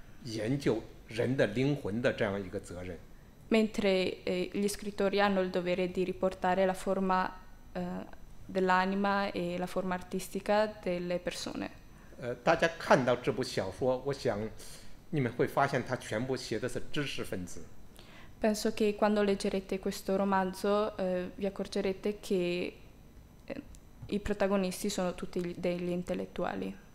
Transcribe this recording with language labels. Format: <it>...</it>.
<zh>而小说家一定要承担研究人的灵魂的这样一个责任。</zh> <it>Mentre gli scrittori hanno il dovere di riportare la forma dell'anima e la forma artistica delle persone.</it> <zh>大家看到这部小说，我想你们会发现它全部写的是知识分子。</zh> <it>Penso che quando leggerete questo romanzo vi accorgerete che i protagonisti sono tutti degli intellettuali.</it>